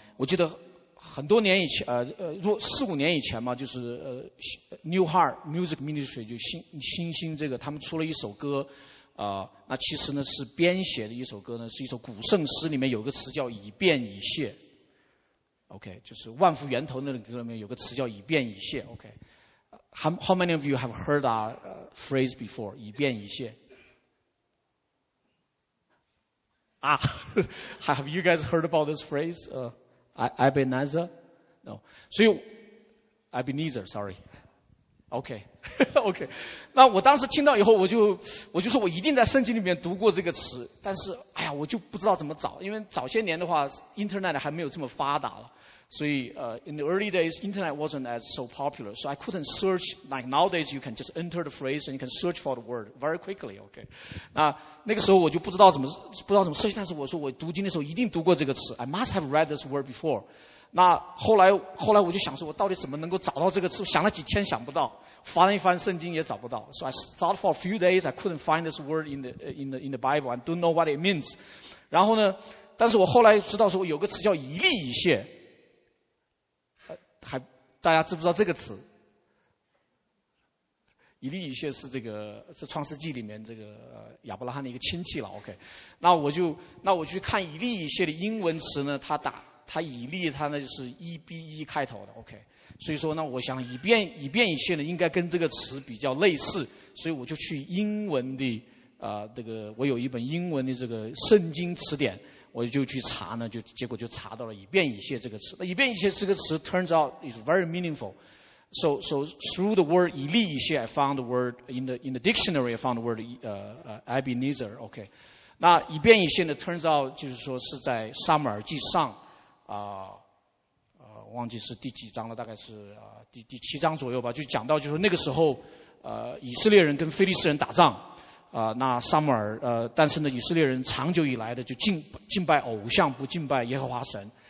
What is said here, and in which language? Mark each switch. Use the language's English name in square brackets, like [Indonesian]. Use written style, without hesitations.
[Chinese] 我记得很多年以前四五年以前嘛，就是New Heart Music Ministry 就新兴这个，他们出了一首歌那其实呢是编写的一首歌呢，是一首古圣诗，里面有个词叫以便以谢。 OK， 就是万福源头那里面有个词叫以便以谢。 [English] OK， how many of you have heard that phrase before？ [Chinese] 以便以谢。 [English] Have you guys heard about this phrase？ Ebenezer？ No， [Chinese] 所以 [English] Ebenezer，sorry。 [Chinese] OK， 那我当时听到以后，我就说我一定在圣经里面读过这个词，但是哎呀，我就不知道怎么找，因为早些年的话 ，Internet 还没有这么发达了。所以 [English] in the early days, internet wasn't as so popular, so I couldn't search, like nowadays you can just enter the phrase and you can search for the word very quickly, okay. [Chinese] 那个时候我就不知道怎么 search， 但是我说我读经的时候一定读过这个词， [English] I must have read this word before. [Chinese] 那后来我就想说我到底怎么能够找到这个词，想了几天想不到，翻一翻圣经也找不到。 [English] So I thought for a few days, I couldn't find this word in the Bible, I don't know what it means. [Chinese] 然后呢，但是我后来知道说有个词叫以利以谢。大家知不知道这个词？以利以谢是这个，是创世纪里面这个亚伯拉罕的一个亲戚了。 OK， 那我去看以利以谢的英文词呢，他以利他呢就是 EBE 开头的。 OK， 所以说那我想以便以谢呢应该跟这个词比较类似，所以我就去英文的这个我有一本英文的这个圣经词典。我就去查呢，就结果就查到了以便以谢这个词。那以便以谢这个词 [English] turns out is very meaningful. So through the word 以利以谢， I found the word in the dictionary, I found the word Ebenezer. Okay. [Chinese] 那以便以谢呢 [English] turns out [Chinese] 就是说是在撒母耳记上忘记是第几章了，大概是第七章左右吧，就讲到就是说那个时候以色列人跟非利士人打仗。那撒母耳但是呢以色列人长久以来的就敬拜偶像，不敬拜耶和华神。